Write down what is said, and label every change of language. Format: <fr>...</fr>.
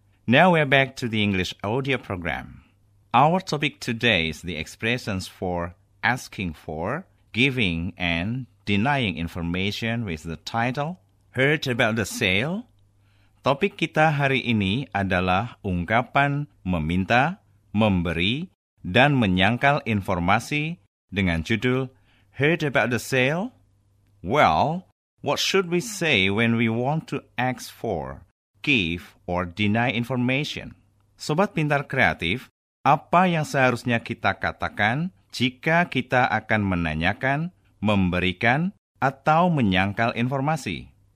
<en>Now we're back to the English audio program. Our topic today is the expressions for asking for, giving, and denying information with the title, Heard About the Sale?</en> <id>Topik kita hari ini adalah ungkapan meminta, memberi, dan menyangkal informasi dengan judul Heard About the Sale?</id> <en>Well, what should we say when we want to ask for, give, or deny information?</en> <id>Sobat Pintar Kreatif, apa yang seharusnya kita katakan jika kita akan menanyakan, memberikan, atau menyangkal informasi?</id>